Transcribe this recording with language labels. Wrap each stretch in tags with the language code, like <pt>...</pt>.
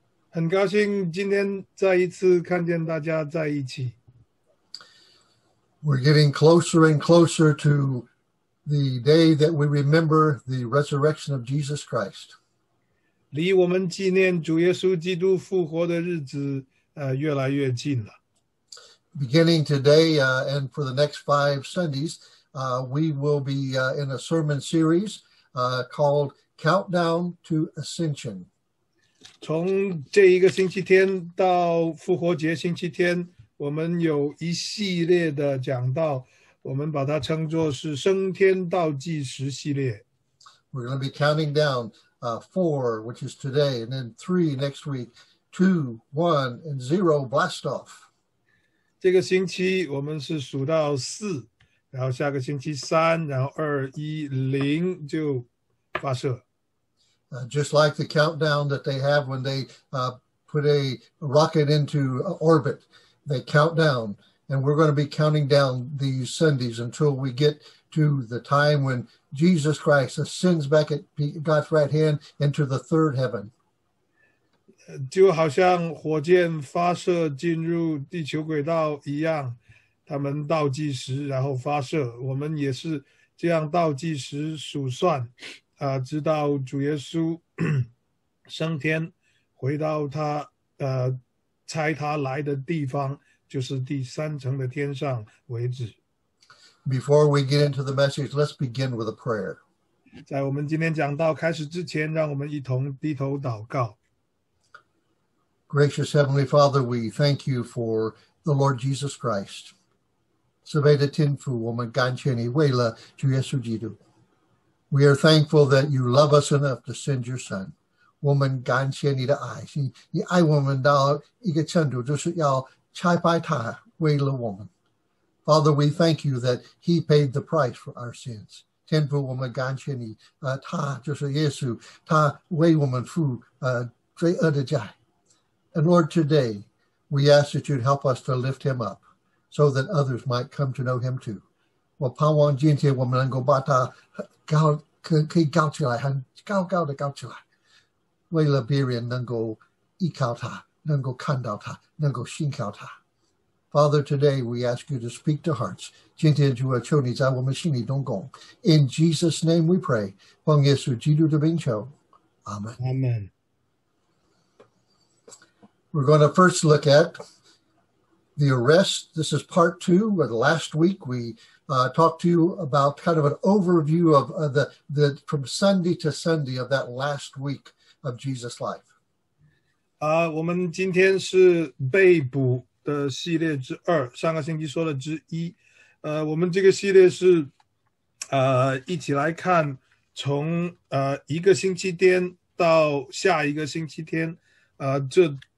<zh>很高兴今天再一次看见大家在一起。</zh> <en>We're getting closer and closer to the day that we remember the resurrection of Jesus Christ.</en> <zh>离我们纪念主耶稣基督复活的日子越来越近了。</zh> <en>Beginning today and for the next five Sundays, we will be in a sermon series called Countdown to Ascension.</en> <zh>从这一个星期天到复活节星期天，我们有一系列的讲道，我们把它称作是升天倒计时系列。</zh> <en>We're going to be counting down four, which is today, and then three next week, two, one, and zero blast off.</en> <zh>这个星期我们是数到四，然后下个星期三，然后二一零就发射。</zh> <en>Just like the countdown that they have when they put a rocket into orbit, they count down, and we're going to be counting down these Sundays until we get to the time when Jesus Christ ascends back at God's right hand into the third heaven.</en> <zh>就好像火箭发射进入地球轨道一样，他们倒计时然后发射，我们也是这样倒计时数算，直到主耶稣升天，回到他差他来的地方，就是第三层的天上为止。</zh> <en>Before we get into the message, let's begin with a prayer.</en> <zh>在我们今天讲道开始之前，让我们一同低头祷告。</zh> <en>Gracious Heavenly Father, we thank you for the Lord Jesus Christ.</en> <zh>慈悲的天父，我们感谢你为了主耶稣基督。</zh> <en>We are thankful that you love us enough to send your Son.</en> <zh>我们感谢你的爱，你爱我们到一个程度，就是要差派他为了我们。</zh> <en>Father, we thank you that he paid the price for our sins.</en> <zh>天父，我们感谢你，他就是耶稣，他为我们付罪恶的债。</zh> <en>And Lord, today, we ask that you'd help us to lift him up so that others might come to know him too.</en> <zh>我盼望今天我们能够把他可以高起来，很高高的高起来，为了别人能够依靠他，能够看到他，能够信靠他。</zh> <en>Father, today, we ask you to speak to hearts.</en> <zh>今天主啊，求你在我们心里动工。</zh> <en>In Jesus' name we pray.</en> <zh>奉耶稣基督的名求。</zh> <en>Amen. Amen. We're going to first look at the arrest. This is part two. Last week we talked to you about kind of an overview of the from Sunday to Sunday of that last week of Jesus' life.</en> <zh>我们今天是被捕的系列之二，上个星期说的之一。我们这个系列是一起来看从一个星期天到下一个星期天，这。</zh>